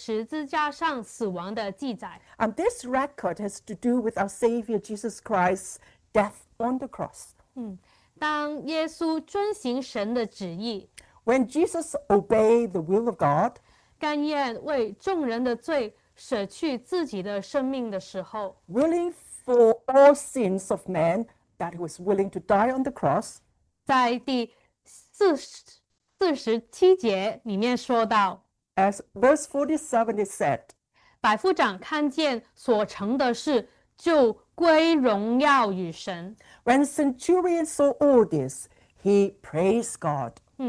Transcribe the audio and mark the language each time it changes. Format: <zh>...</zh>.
<zh>这个是有关救主基督耶稣在十字架上死亡的记载。</zh> <en>And this record has to do with our Savior Jesus Christ's death on the cross.</en> <zh>当耶稣遵行神的旨意,</zh> <en>When Jesus obeyed the will of God,</en> <zh>甘愿为众人的罪舍去自己的生命的时候,</zh> <en>willing for all sins of man, that he was willing to die on the cross,</en> <zh>在第47节里面说到,</zh> <en>As verse 47 is said,</en> <zh>百夫长看见所成的事就归荣耀与神。</zh> <en>When centurion saw all this, he praised God.</en>